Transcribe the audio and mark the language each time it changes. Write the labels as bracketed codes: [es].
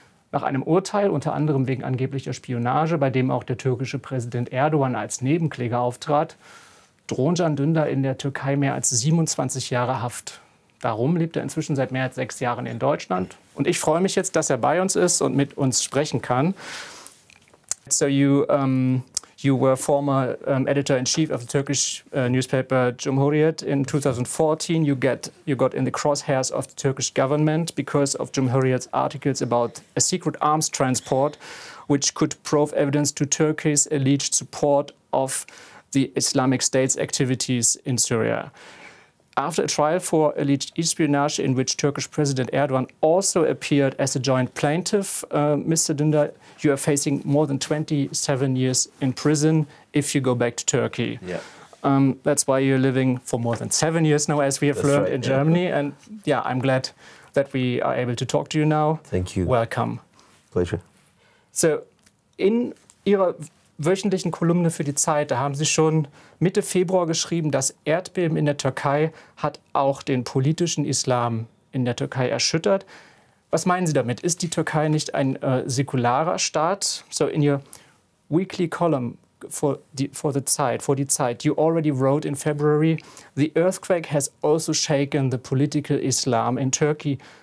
[de] Nach einem Urteil, unter anderem wegen angeblicher Spionage, bei dem auch der türkische Präsident Erdogan als Nebenkläger auftrat, drohen Can Dündar in der Türkei mehr als 27 Jahre Haft. Darum lebt er inzwischen seit mehr als 6 Jahren in Deutschland. Und ich freue mich jetzt, dass er bei uns ist und mit uns sprechen kann. [en] So you were former editor-in-chief of the Turkish newspaper Cumhuriyet. In 2014, you got in the crosshairs of the Turkish government because of Cumhuriyet's articles about a secret arms transport, which could prove evidence to Turkey's alleged support of the Islamic State's activities in Syria. After a trial for alleged espionage in which Turkish President Erdogan also appeared as a joint plaintiff, Mr. Dündar, you are facing more than 27 years in prison if you go back to Turkey. Yeah. That's why you're living for more than 7 years now, as we have learned, right, in Germany. Yeah. And yeah, I'm glad that we are able to talk to you now. Thank you. Welcome. Pleasure. [de] So, in Ihrer wöchentlichen Kolumne für die Zeit, da haben Sie schon Mitte Februar geschrieben, das Erdbeben in der Türkei hat auch den politischen Islam in der Türkei erschüttert. Was meinen Sie damit? Ist die Türkei nicht ein säkularer Staat? [en] So in your weekly column for the Zeit, you already wrote in February, the earthquake has also shaken the political Islam in Turkey.